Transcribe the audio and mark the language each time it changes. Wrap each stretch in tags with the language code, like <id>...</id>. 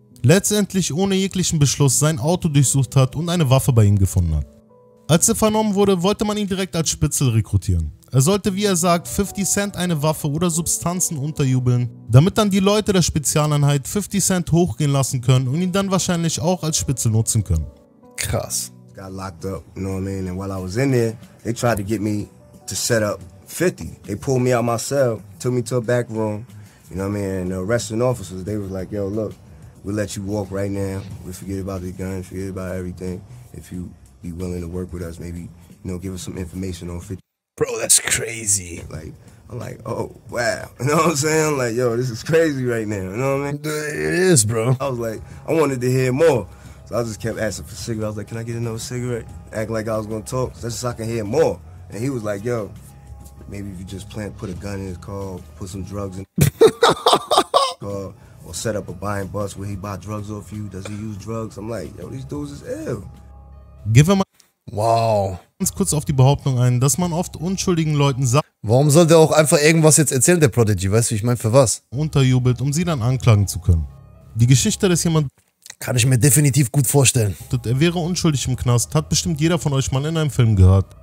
<de>Letztendlich ohne jeglichen Beschluss sein Auto durchsucht hat und eine Waffe bei ihm gefunden hat. Als er vernommen wurde, wollte man ihn direkt als Spitzel rekrutieren. Er sollte, wie er sagt, 50 Cent eine Waffe oder Substanzen unterjubeln, damit dann die Leute der Spezialeinheit 50 Cent hochgehen lassen können und ihn dann wahrscheinlich auch als Spitzel nutzen können. Krass.</de> <en>Got locked up, you know what I mean? And while I was in there, they tried to get me to set up 50. They pulled me out my cell, took me to a back room, you know what I mean? And the arresting officers, they was like, yo, look, we'll let you walk right now. We'll forget about the gun, forget about everything. If you be willing to work with us, maybe, you know, give us some information on 50. Bro, that's crazy. Like, I'm like, oh, wow. You know what I'm saying? I'm like, yo, this is crazy right now. You know what I mean? It is, bro. I was like, I wanted to hear more. So I just kept asking for cigarettes. I was like, can I get another cigarette? Act like I was going to talk. That's just so I can hear more. And he was like, yo, maybe if you just plant, put a gun in his car, put some drugs in his car, or set up a buying bus where he buy drugs off you. Does he use drugs? I'm like, yo, these dudes is ill. Give him a... Wow.</en> <de>Ganz kurz auf die Behauptung ein, dass man oft unschuldigen Leuten sagt... Warum soll der auch einfach irgendwas jetzt erzählen, der Prodigy? Weißt du, ich meine, für was? ...unterjubelt, um sie dann anklagen zu können. Die Geschichte, dass jemand... Kann ich mir definitiv gut vorstellen. ...er wäre unschuldig im Knast, hat bestimmt jeder von euch mal in einem Film gehört.</de>